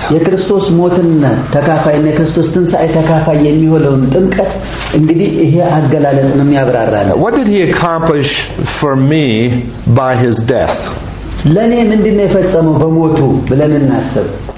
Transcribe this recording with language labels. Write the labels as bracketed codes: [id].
[am] የክርስቶስ ሞትና ተካፋይነት የክርስቶስ ትንሳኤ ተካፋይ የሚሆነውን ጥምቀት እንግዲህ ይሄ አገላለጽን የሚያብራራለን. [en] What did he accomplish for me by his death? [am] ለኔ ምንድነው የፈጸመው በሞቱ ብለን እናስብ.